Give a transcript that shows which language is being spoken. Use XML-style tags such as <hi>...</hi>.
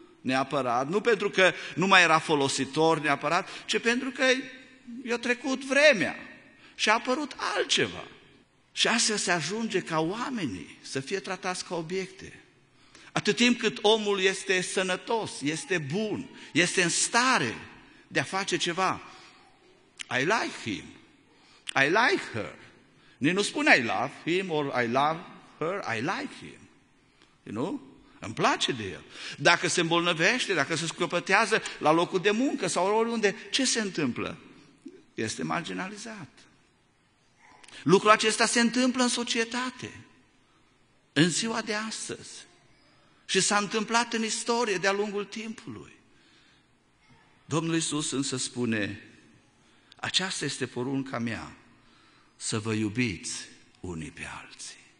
<ro>neapărat, nu pentru că nu mai era folositor neapărat, ci pentru că i-a trecut vremea și a apărut altceva. Și astfel se ajunge ca oamenii să fie tratați ca obiecte. Atât timp cât omul este sănătos, este bun, este în stare de a face ceva,</ro> <en>I like him, I like her.</en> <ro>Nici nu spune</ro> <en>I love him or I love her, I like him. You know?</en> <ro>Îmi place de el. Dacă se îmbolnăvește, dacă se scopătează la locul de muncă sau oriunde, ce se întâmplă? Este marginalizat. Lucrul acesta se întâmplă în societate, în ziua de astăzi. Și s-a întâmplat în istorie de-a lungul timpului. Domnul Iisus însă spune, aceasta este porunca mea, să vă iubiți unii pe alții.</ro>